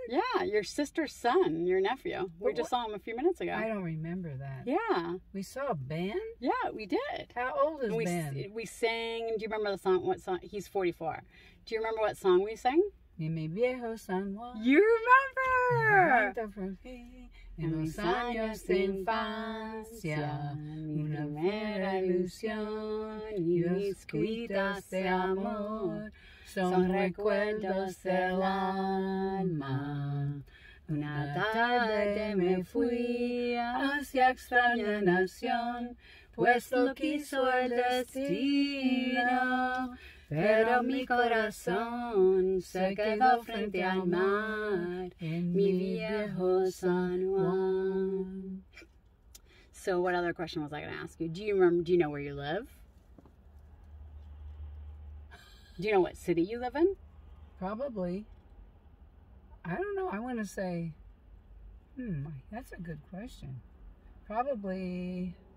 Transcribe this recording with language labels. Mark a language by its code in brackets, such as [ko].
[en] Yeah, your sister's son, your nephew. We just saw him a few minutes ago. I don't remember that. Yeah. We saw Ben? Yeah, we did. How old is Ben? We sang, do you remember the song? What song? He's 44. Do you remember what song we sang? [es] Y mi viejo San Juan. [en] You remember? [es] En los años de infancia, una mera ilusión y escritas de amor son recuerdos del alma. Una tarde me fui hacia extraña nación, pues lo quiso el destino. Pero mi corazón se quedó frente al mar, mi viejo San Juan. [en] So what other question was I going to ask you? Do you know where you live? Do you know what city you live in? Probably. I don't know. I want to say, that's a good question. Probably.